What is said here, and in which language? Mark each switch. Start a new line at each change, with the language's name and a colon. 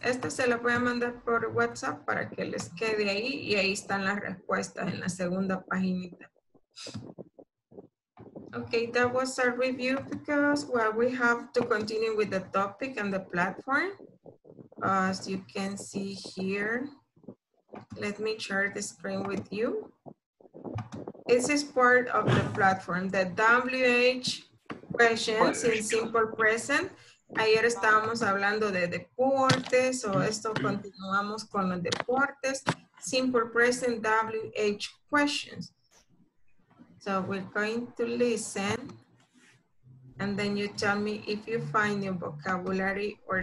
Spanish: Este se lo voy a mandar por WhatsApp para que les quede ahí y ahí están las respuestas en la segunda paginita.
English: Okay, that was our review because, well, we have to continue with the topic and the platform. As you can see here, let me share the screen with you. This is part of the platform, the WH questions in simple present.
Spanish: Ayer estábamos hablando de deportes, o esto continuamos con los deportes.
English: Simple present WH questions. So we're going to listen, and then you tell me if you find your vocabulary or